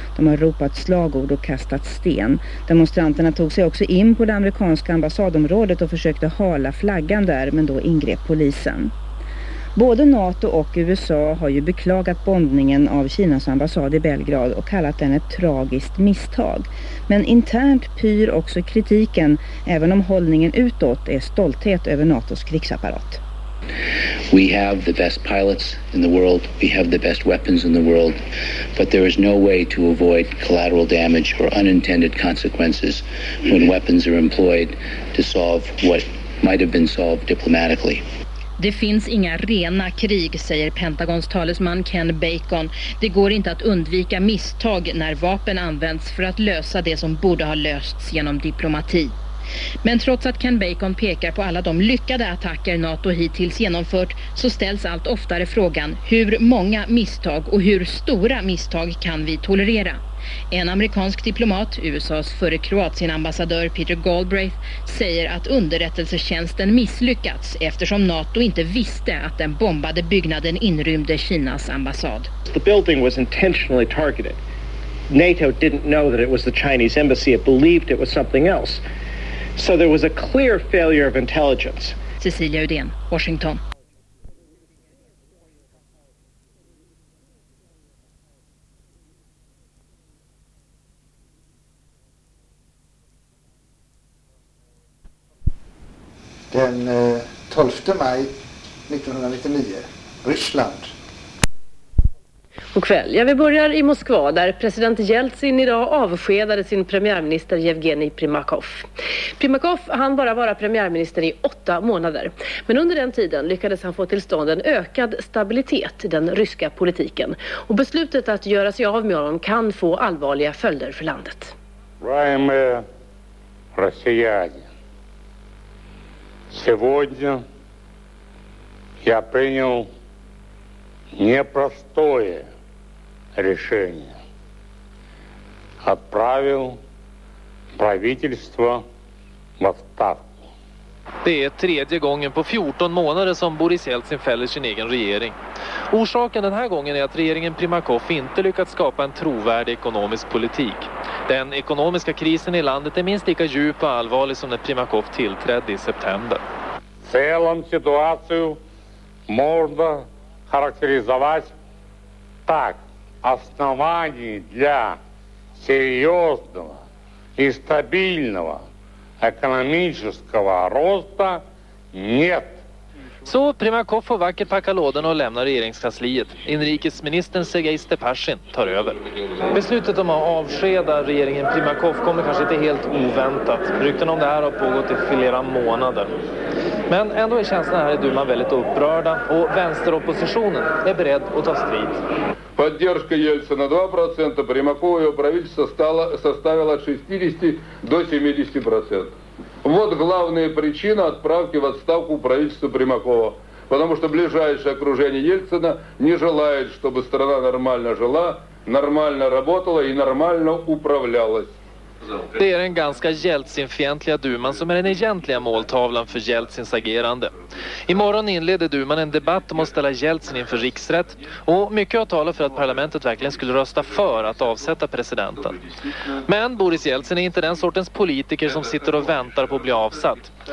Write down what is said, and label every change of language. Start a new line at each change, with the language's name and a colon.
Swedish: De har ropat slagord och kastat sten. Demonstranterna tog sig också in på det amerikanska ambassadområdet och försökte hala flaggan där, men då ingrep polisen. Både NATO och USA har ju beklagat bombningen av Kinas ambassad i Belgrad och kallat den ett tragiskt misstag. Men internt pyr också kritiken, även om hållningen utåt är stolthet över NATOs krigsapparat.
English: We have the best pilots in the world, we have the best weapons in the world, but there is no way to avoid collateral damage or unintended consequences when weapons are employed to solve what might have been solved diplomatically.
Swedish: Det finns inga rena krig, säger Pentagons talesman Ken Bacon. Det går inte att undvika misstag när vapen används för att lösa det som borde ha lösts genom diplomati. Men trots att Ken Bacon pekar på alla de lyckade attacker NATO hittills genomfört, så ställs allt oftare frågan hur många misstag och hur stora misstag kan vi tolerera? En amerikansk diplomat, USAs före Kroatienambassadör Peter Galbraith, säger att underrättelsetjänsten misslyckats eftersom NATO inte visste att den bombade byggnaden inrymde Kinas ambassad.
English: The building was intentionally targeted. NATO didn't know that it was the Chinese embassy. It believed it was something else. So there was a clear failure of intelligence.
Swedish: Cecilia Udén, Washington. Den 12 maj 1999, Ryssland. God kväll. Ja, vi börjar i Moskva där president Jeltsin idag avskedade sin premiärminister Jevgeni Primakov. Primakov han bara vara premiärminister i 8 månader. Men under den tiden lyckades han få till stånd en ökad stabilitet i den ryska politiken. Och beslutet att göra sig av med honom kan få allvarliga följder för landet. Jag är россияне.
Russian: Сегодня я принял непростое решение. Отправил правительство в отставку.
Swedish: Det är tredje gången på 14 månader som Boris Jeltsin fäller sin egen regering. Orsaken den här gången är att regeringen Primakov inte lyckats skapa en trovärdig ekonomisk politik. Den ekonomiska krisen i landet är minst lika djup och allvarlig som när Primakov tillträdde i september.
Russian: В целом ситуацию можно характеризовать так. Оснований для серьезного и стабильного экономического роста нет.
Swedish: Så Primakov får vackert packa lådan och lämnar regeringskansliet. Inrikesministern Sergej Stepashin tar över. Beslutet om att avskeda regeringen Primakov kommer kanske inte helt oväntat. Rykten om det här har pågått i flera månader. Men ändå är känslan här i Duman väldigt upprörda och vänsteroppositionen är beredd att ta strid.
Russian: Поддержка Ельцина 2%, Примакова его правительство стало составило 60-70%. Вот главная причина отправки в отставку правительства Примакова, потому что ближайшее окружение Ельцина не желает, чтобы страна нормально жила, нормально работала и нормально управлялась.
Swedish: Det är den ganska Jeltsin-fientliga duman som är den egentliga måltavlan för Jeltsins agerande. Imorgon inleder duman en debatt om att ställa Jeltsin inför riksrätt. Och mycket har talat för att parlamentet verkligen skulle rösta för att avsätta presidenten. Men Boris Jeltsin är inte den sortens politiker som sitter och väntar på att bli avsatt.